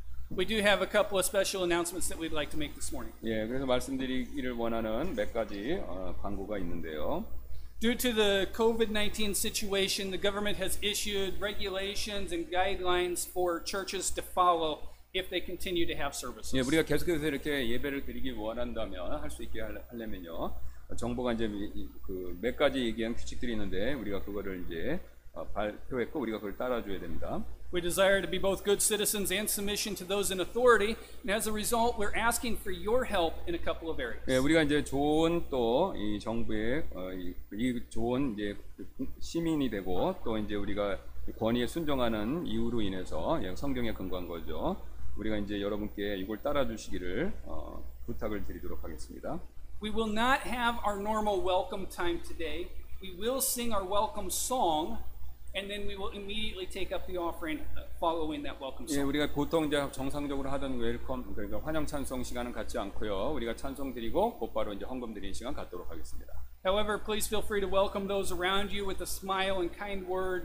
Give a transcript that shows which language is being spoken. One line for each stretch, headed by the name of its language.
English: We do have a couple of special announcements that we'd like to make this morning.
Korean: 예, 그래서 말씀드리기를 원하는 몇 가지 광고가 있는데요.
English: Due to the COVID-19 situation, the government has issued regulations and guidelines for churches to follow if they continue to have services.
Korean: 예, 우리가 계속해서 이렇게 예배를 드리기 원한다면 할 수 있게 하려면요. 정보가 이제 그 몇 가지 얘기한 규칙들이 있는데 우리가 그거를 이제 발표했고 우리가 그걸 따라줘야 됩니다.
English: We desire to be both good citizens and submission to those in authority, and as a result, we're asking for your help in a couple of areas.
Korean: 예, 우리가 이제 좋은 또 이 정부의 이 좋은 이제 시민이 되고 또 이제 우리가 권위에 순종하는 이유로 인해서 예, 성경에 근거한 거죠. 우리가 이제 여러분께 이걸 따라주시기를 부탁을 드리도록 하겠습니다.
English: We will not have our normal welcome time today. We will sing our welcome song, and then we will immediately take up the offering following that welcome song.
Korean: 예, 우리가 보통 이제 정상적으로 하던 웰컴 그러니까 환영 찬송 시간은 갖지 않고요. 우리가 찬송 드리고 곧바로 이제 헌금 드리는 시간 갖도록 하겠습니다.
English: However, please feel free to welcome those around you with a smile and kind word.